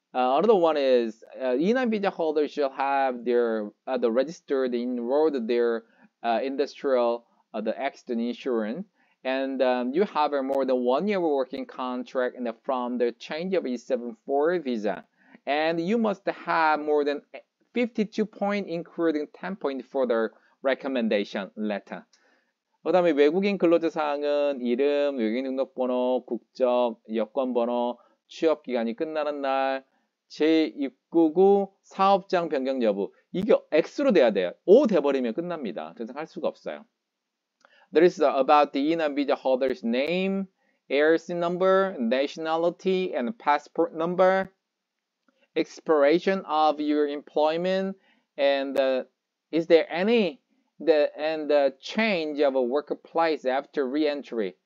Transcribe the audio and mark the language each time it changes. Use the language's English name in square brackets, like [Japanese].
[English] Another one is E9 visa holders shall have their the registered enrolled their industrial the accident insurance. And you have a more than 1 year working contract in the, from the change of E7-4 visa. And you must have more than 52 points, including 10 points for the recommendation letter. [Korean] 그 다음에 외국인 근로자 사항은 이름, 외국인 등록번호, 국적, 여권번호, 취업기간이 끝나는 날, 재입국 후 사업장 변경 여부. 이게 X로 돼야 돼요. O 돼버리면 끝납니다. 더 이상 할 수가 없어요. [English] There is about the E9 visa holder's name, ARC number, nationality, and passport number, expiration of your employment, and is there any the change of a workplace after re-entry?